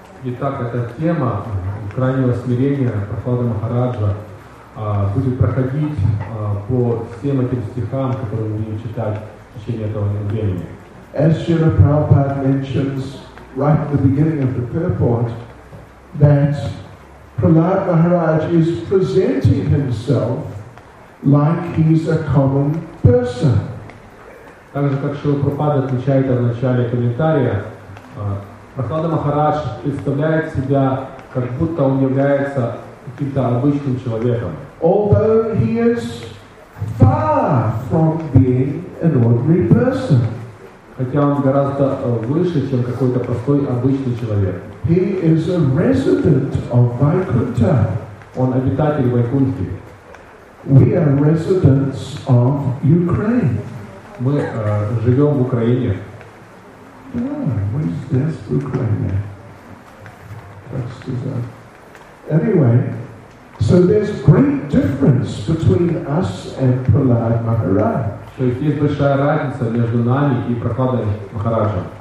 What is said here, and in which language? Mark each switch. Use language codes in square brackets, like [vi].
[ru] Итак, эта тема крайнего смирения Прохлады Махараджа будет проходить по всем этим стихам, которые мы будем читать в течение этого времени. [en] As Srila Prabhupada mentions right at the beginning of the purport, that Prahlad Maharaj is presenting himself like he's a common person. [ru] Также как Шрила Прабхупада отмечает в начале комментария, Прохлада Махарадж представляет себя, как будто он является каким-то обычным человеком. [en] Although he is far from being an ordinary person. [ru] Хотя он гораздо выше, чем какой-то простой обычный человек. [en] He is a resident of Vaikuntha. [ru] Он обитатель Вайкунхи. [en] We are residents of Ukraine. [ru] Мы живем в Украине. [en] Where's this Ukraine? Anyway, so there's great difference between us and Prahlad Maharaj. [ru] То есть есть большая разница между нами и Прохладой Махараджем.